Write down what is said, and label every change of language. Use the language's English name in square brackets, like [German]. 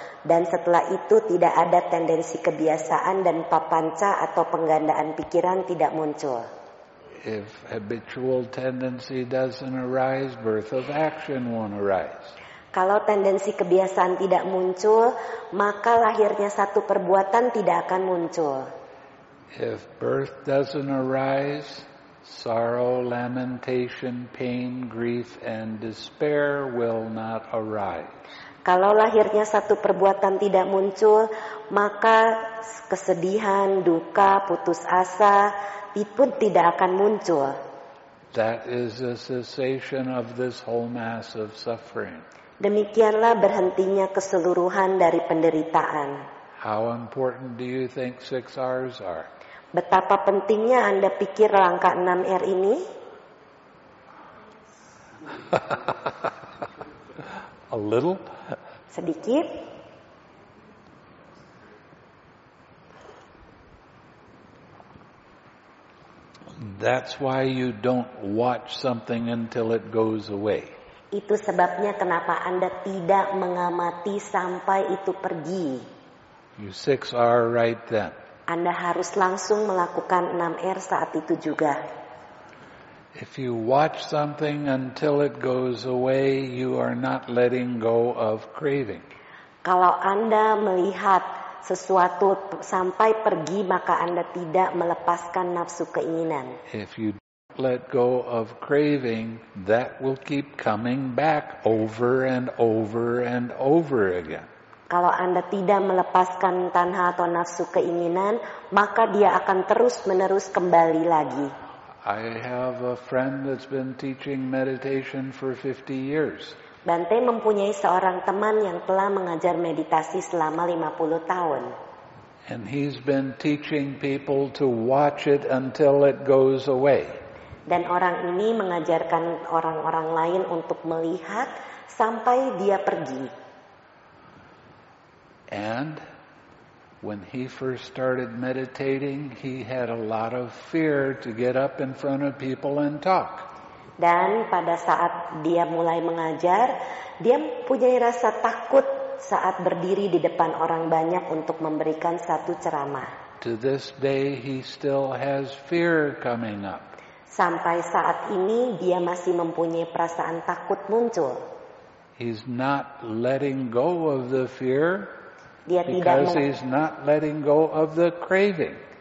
[Indonesian] Dan setelah itu tidak ada tendensi kebiasaan dan papanca atau penggandaan pikiran tidak muncul. [English] If habitual tendency doesn't arise, birth of action won't arise. [Indonesian] Kalau tendensi kebiasaan tidak muncul, maka lahirnya satu perbuatan tidak akan muncul. [English] If birth doesn't arise, sorrow, lamentation, pain, grief, and despair will not arise. [Indonesian] Kalau lahirnya satu perbuatan tidak muncul, maka kesedihan, duka, putus asa, itu tidak akan muncul. [English] That is the cessation of this whole mass of suffering. [Indonesian] Demikianlah berhentinya keseluruhan dari penderitaan. [English] How important do you think 6 R's are? [Indonesian] Betapa pentingnya Anda pikir langkah 6 R ini? [English] A little? [Indonesian] Sedikit? [English] That's why you don't watch something until it goes away. [Indonesian] Itu sebabnya kenapa Anda tidak mengamati sampai itu pergi. [English] You 6 R right then. [Indonesian] Anda harus langsung melakukan 6 R saat itu juga. [English] If you watch something until it goes away, you are not letting go of craving. [Indonesian] Kalau Anda melihat sesuatu sampai pergi, maka Anda tidak melepaskan nafsu keinginan. [English] If you don't let go of craving, that will keep coming back over and over and over again. [Indonesian] Kalau Anda tidak melepaskan tanha atau nafsu keinginan, maka dia akan terus-menerus kembali lagi. [English] I have a friend that's been teaching meditation for 50 years. [Indonesian] Bante mempunyai seorang teman yang telah mengajar meditasi selama 50 tahun. [English] And he's been teaching people to watch it until it goes away. [Indonesian] Dan orang ini mengajarkan orang-orang lain untuk melihat sampai dia pergi. [English] And when he first started meditating, he had a lot of fear to get up in front of people and talk. [Indonesian] Dan pada saat dia mulai mengajar, dia punya rasa takut saat berdiri di depan orang banyak untuk memberikan satu ceramah. [English] To this day, he still has fear coming up. [Indonesian] Sampai saat ini, dia masih mempunyai perasaan takut muncul. [English] He's not letting go of the fear. [Indonesian] Dia [English] because he's not letting go of the craving.